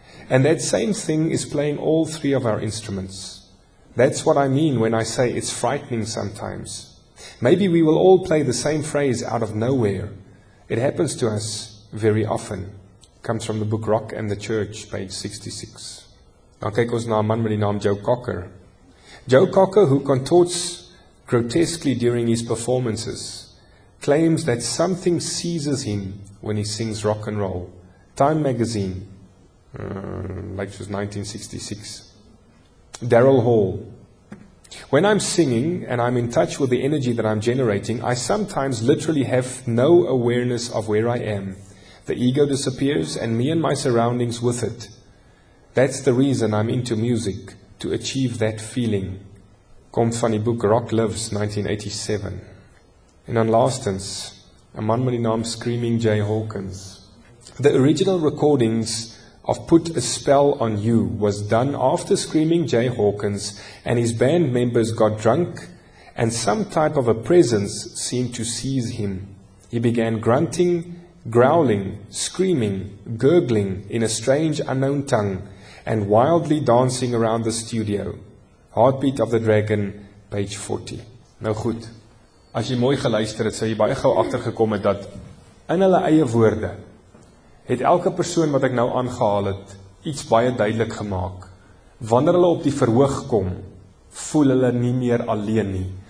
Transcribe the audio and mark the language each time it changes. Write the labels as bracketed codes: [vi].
[en] And that same thing is playing all three of our instruments. That's what I mean when I say it's frightening sometimes. Maybe we will all play the same phrase out of nowhere. It happens to us very often. Comes from the book Rock and the Church, page 66. [af] Nou kyk ons na 'n man met die naam Joe Cocker. [en] Joe Cocker, who contorts grotesquely during his performances, claims that something seizes him when he sings rock and roll. Time Magazine, like it was 1966. Daryl Hall. When I'm singing and I'm in touch with the energy that I'm generating, I sometimes literally have no awareness of where I am. The ego disappears and me and my surroundings with it. That's the reason I'm into music. To achieve that feeling. [af] Kom van die boek Rock Lives, 1987. En dan laastens, 'n man met die naam Screaming Jay Hawkins. [en] The original recordings of Put a Spell on You was done after Screaming Jay Hawkins and his band members got drunk and some type of a presence seemed to seize him. He began grunting, growling, screaming, gurgling in a strange unknown tongue and wildly dancing around the studio. Heartbeat of the Dragon, page 40. [af] Nou goed, as jy mooi geluister het, sal jy baie gou agtergekom het dat in hulle eie woorde het elke persoon wat ek nou aangehaal het iets baie duidelik gemaak. Wanneer hulle op die verhoog kom, voel hulle nie meer alleen nie.